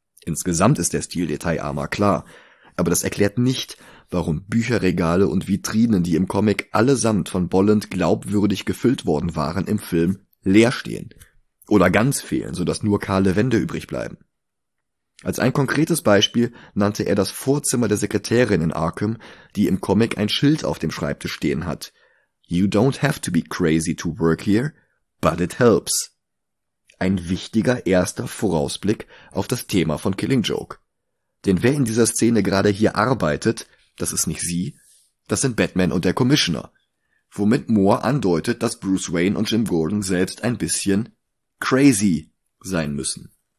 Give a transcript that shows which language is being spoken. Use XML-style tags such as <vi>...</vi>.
<de>Insgesamt ist der Stil detailarmer, klar. Aber das erklärt nicht, warum Bücherregale und Vitrinen, die im Comic allesamt von Bolland glaubwürdig gefüllt worden waren, im Film leer stehen. Oder ganz fehlen, sodass nur kahle Wände übrig bleiben. Als ein konkretes Beispiel nannte er das Vorzimmer der Sekretärin in Arkham, die im Comic ein Schild auf dem Schreibtisch stehen hat.</de> <en>You don't have to be crazy to work here, but it helps.</en> <de>Ein wichtiger erster Vorausblick auf das Thema von Killing Joke. Denn wer in dieser Szene gerade hier arbeitet, das ist nicht sie, das sind Batman und der Commissioner. Womit Moore andeutet, dass Bruce Wayne und Jim Gordon selbst ein bisschen crazy sein müssen.</de>